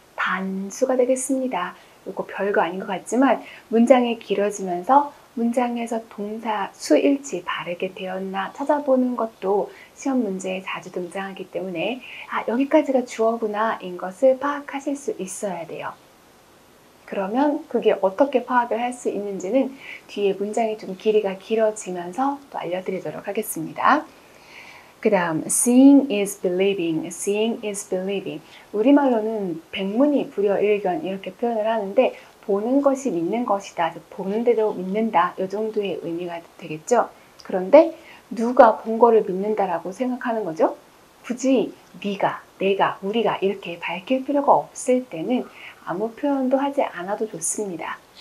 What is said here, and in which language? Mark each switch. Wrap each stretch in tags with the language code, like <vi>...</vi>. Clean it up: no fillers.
<ko>단수가 되겠습니다. 이거 별거 아닌 것 같지만 문장이 길어지면서 문장에서 동사 수일치 바르게 되었나 찾아보는 것도 시험 문제에 자주 등장하기 때문에 아, 여기까지가 주어구나 인 것을 파악하실 수 있어야 돼요. 그러면 그게 어떻게 파악을 할수 있는지는 뒤에 문장이 좀 길이가 길어지면서 또 알려드리도록 하겠습니다. 그 다음,</ko> <en>seeing is believing, seeing is believing.</en> <ko>우리말로는 백문이 불여일견 이렇게 표현을 하는데 보는 것이 믿는 것이다, 보는 대로 믿는다, 이 정도의 의미가 되겠죠? 그런데 누가 본 거를 믿는다라고 생각하는 거죠? 굳이 네가, 내가, 우리가 이렇게 밝힐 필요가 없을 때는 아무 표현도 하지 않아도 좋습니다.</ko>